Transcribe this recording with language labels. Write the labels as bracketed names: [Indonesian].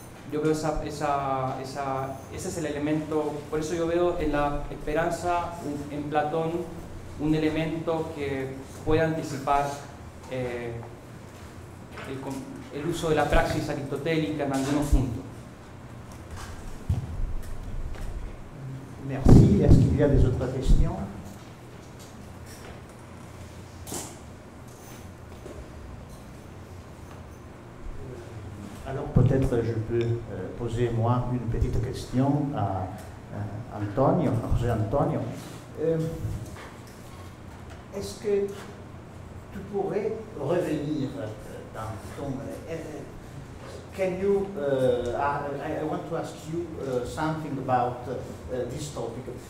[Spanish] Yo veo ese es el elemento, por eso yo veo en la esperanza en Platón un elemento que puede anticipar el uso de la praxis aristotélica en algunos puntos. [French] Merci. Est-ce qu'il y a des autres questions? Alors peut-être je peux poser moi une petite question à Antonio, à José Antonio. Est-ce que tu pourrais revenir dans ton... [English] Can you, I want to ask you something about this topic.